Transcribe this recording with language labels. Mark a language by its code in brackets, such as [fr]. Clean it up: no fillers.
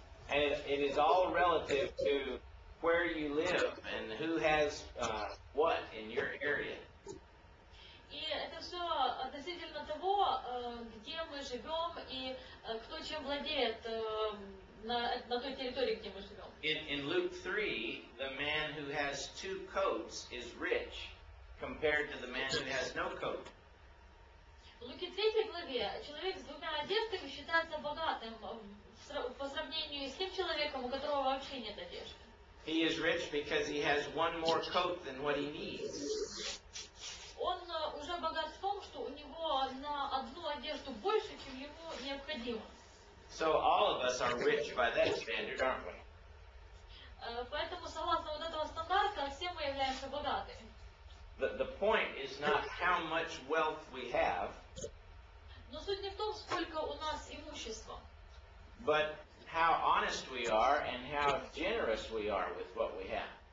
[en] And it is all relative to where you live and who has what in your area. [ru] И это все относительно того, где мы живем и кто чем владеет на той территории, где мы живем. [en] In Luke 3, the man who has two coats is rich compared to the man who has no coat. [ru] В Луки 3 главе человек с двумя одеждами считается богатым по сравнению с тем человеком, у которого вообще нет одежды. [en] He is rich because he has one more coat than what he needs. [ru] Он уже богат в том, что у него на одну одежду больше, чем ему необходимо. [en] So all of us are rich by that standard, aren't we? [ru] Поэтому согласно вот этого стандарта, все мы являемся богатыми. [en] The point is not how much wealth we have. [ru] Но суть не в том, сколько у нас имущества. [en] But how honest we are and how generous we are with what we have.